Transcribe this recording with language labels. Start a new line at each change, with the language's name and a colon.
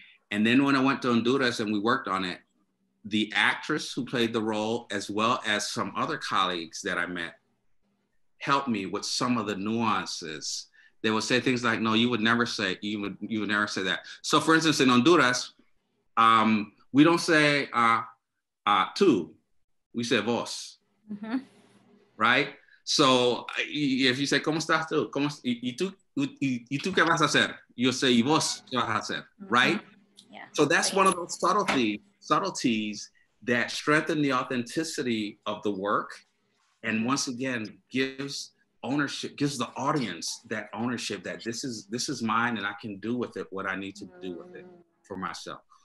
English: And then when I went to Honduras and we worked on it, the actress who played the role, as well as some other colleagues that I met, helped me with some of the nuances. They would say things like, no, you would never say that. So for instance, in Honduras, we don't say tú, we say vos, mm-hmm. Right? So if you say,
Spanish: ¿cómo estás tú? ¿Y tú qué vas a hacer?
English: You'll say,
Spanish: ¿y vos qué vas a hacer?
English: Mm-hmm. Right? Yeah. So that's one of those subtleties that strengthen the authenticity of the work. And once again, gives the audience that ownership that this is mine and I can do with it what I need to do with it for myself.